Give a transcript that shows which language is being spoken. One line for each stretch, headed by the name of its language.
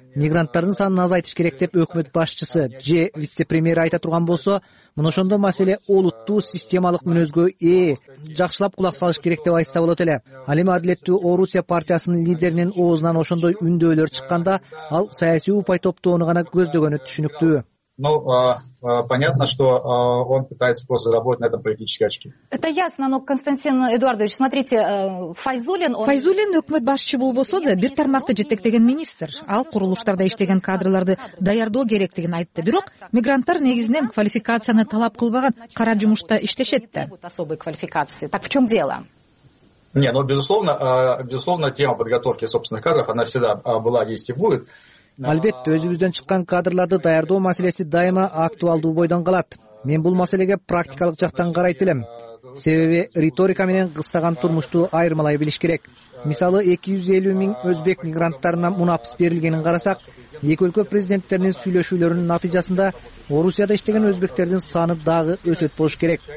Kyrgyz: Мигранттардын санын азайтыш керек деп өкмөт башчысы же вице-премьери айта турган болсо, мына ошондо маселе олуттуу системалык мүнөзгө ээ, жакшылап кулак салыш керек деп айтса болот эле. Ал эми Адилеттүү Орусия партиясынын лидеринин оозунан ошондой үндөөлөр чыкканда ал саясий упай топтоону гана көздөгөнү түшүнүктүү.
Russian: Ну, понятно, что он пытается просто заработать на этом политические очки. Это ясно, но Константин Эдуардович, смотрите, Файзулин...
Kyrgyz: Файзулин өкмөт башчы болбосо да, бир тармакты жетектеген министр. Ал курулуштарда иштеген кадрларды даярдоо керек деген айтты. Бирок, мигранттар негизинен квалификацияны талап кылбаган кара жумушта иштешет да.
Russian: Особой квалификации. Так в чем дело? Не, ну, безусловно, тема подготовки собственных кадров, она всегда была, есть и будет.
Kyrgyz: Албетте, өзүбүздөн чыккан кадрларды даярдоо маселеси дайыма актуалдуу бойдон калат. Мен бул маселеге практикалык жактан карайт элем. Себеби риторика менен кыстаган турмушту айырмалай билиш керек. Мисалы, 250 миң өзбек мигранттарына мунапыс берилгенин карасак, эки өлкө президенттеринин сүйлөшүүлөрүнүн натыйжасында Орусияда иштеген өзбектердин саны дагы өсөт болуш керек.